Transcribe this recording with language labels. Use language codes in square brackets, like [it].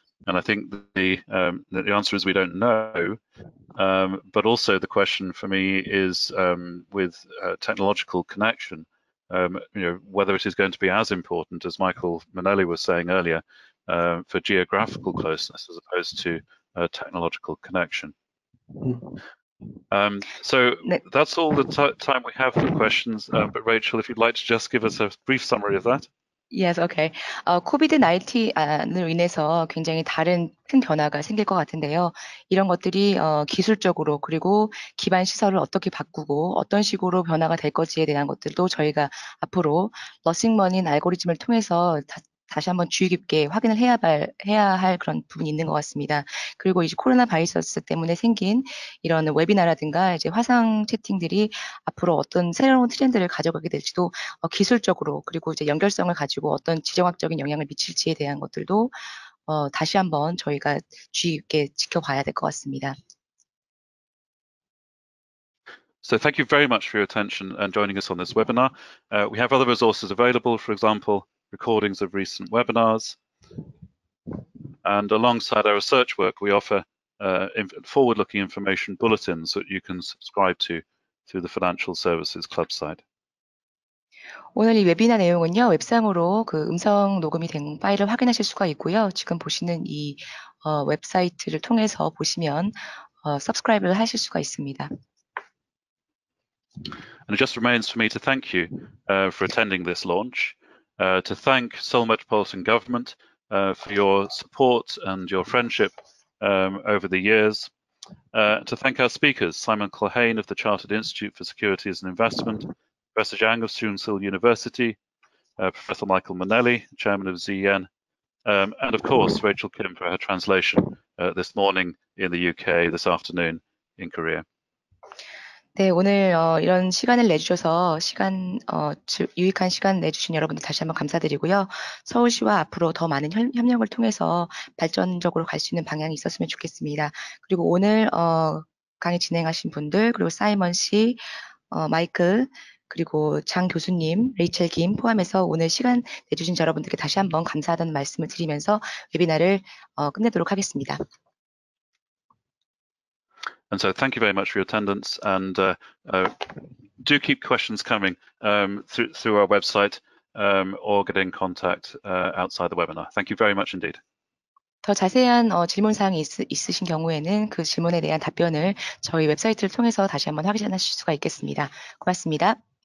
[en] And I think the answer is we don't know. But also the question for me is with technological connection, whether it is going to be as important as Michael Mainelli was saying earlier, for geographical closeness as opposed to technological connection. So that's all the time we have for questions. But Rachel, if you'd like to just give us a brief summary of that. Yes, okay. [ko] COVID-19을 인해서 굉장히 다른 큰 변화가 생길 것 같은데요. 이런 것들이 기술적으로 그리고 기반 시설을 어떻게 바꾸고 어떤 식으로 변화가 될 것지에 대한 것들도 저희가 앞으로 러싱 머니 알고리즘을 통해서 다시 한번 주의 깊게 확인을 해야 할 그런 부분이 있는 것 같습니다. 그리고 이제 코로나 바이러스 때문에 생긴 이런 웨비나라든가 이제 화상 채팅들이 앞으로 어떤 새로운 트렌드를 가져가게 될지도 기술적으로 그리고 이제 연결성을 가지고 어떤 지정학적인 영향을 미칠지에 대한 것들도 다시 한번 저희가 주의 깊게 지켜봐야 될 것 같습니다. [en] So thank you very much for your attention and joining us on this webinar. We have other resources available, for example, recordings of recent webinars. And alongside our research work, we offer forward-looking information bulletins that you can subscribe to through the Financial Services Club site. [ko] 오늘 이 웨비나 내용은요, 웹상으로 그 음성 녹음이 된 파일을 확인하실 수가 있고요. 지금 보시는 이 웹사이트를 통해서 보시면 subscribe를 하실 수가 있습니다. [en] And it just remains for me to thank you for attending this launch. To thank Seoul Metropolitan Government for your support and your friendship over the years. To thank our speakers, Simon Culhane of the Chartered Institute for Securities and Investment, Professor Jiang of Soongsil University, Professor Michael Mainelli, Chairman of ZEN, and of course, Rachel Kim for her translation this morning in the UK, this afternoon in Korea. [ko] 네, 오늘 이런 시간을 내주셔서 유익한 시간 내주신 여러분들 다시 한번 감사드리고요. 서울시와 앞으로 더 많은 협력을 통해서 발전적으로 갈 수 있는 방향이 있었으면 좋겠습니다. 그리고 오늘 강의 진행하신 분들, 그리고 사이먼 씨, 마이클, 그리고 장 교수님, 레이첼 김 포함해서 오늘 시간 내주신 여러분들께 다시 한번 감사하다는 말씀을 드리면서 웨비나를 끝내도록 하겠습니다. [en] And so thank you very much for your attendance and do keep questions coming through our website or get in contact outside the webinar. Thank you very much indeed. [ko] 더 자세한 질문 사항이 있으신 경우에는 그 질문에 대한 답변을 저희 웹사이트를 통해서 다시 한번 확인하실 수가 있겠습니다. 고맙습니다.